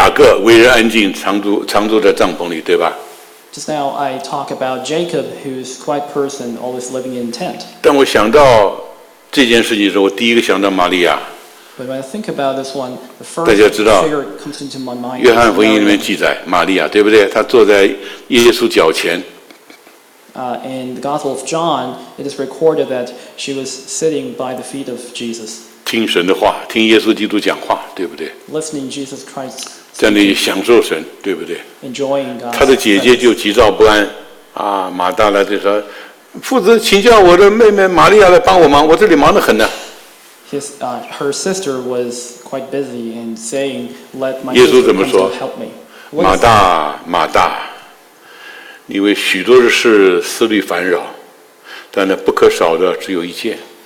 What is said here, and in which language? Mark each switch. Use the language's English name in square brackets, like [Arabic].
[Chinese] 刚才我说雅各为人安静常住在帐篷里, 对吧? [English] Just now I talk about Jacob, who's a quiet person, always living in a tent. [Chinese] 但我想到这件事情的时候, 我第一个想到玛利亚。 [English] But when I think about this one, the first [Chinese] 大家知道, [English] figure comes into my mind. [Chinese] 约翰福音里面记载, 玛利亚, 对不对? 她坐在耶稣脚前。 [English] In the Gospel of John, it is recorded that she was sitting by the feet of Jesus. [Chinese] 听神的话, 听耶稣基督讲话, 对不对? [English] Listening to Jesus Christ. [Chinese] 在那里享受神, 对不对? [English] Enjoying God. [Chinese] 她的姐姐就急躁不安, 啊, 马大来就说, 负责请教我的妹妹玛利亚来帮我忙, 我这里忙得很呢。 [English] Her sister was quite busy and saying, let my sister come to help me. [Chinese] 马大, 马大, 因为许多的事思虑烦扰, 但不可少的只有一件。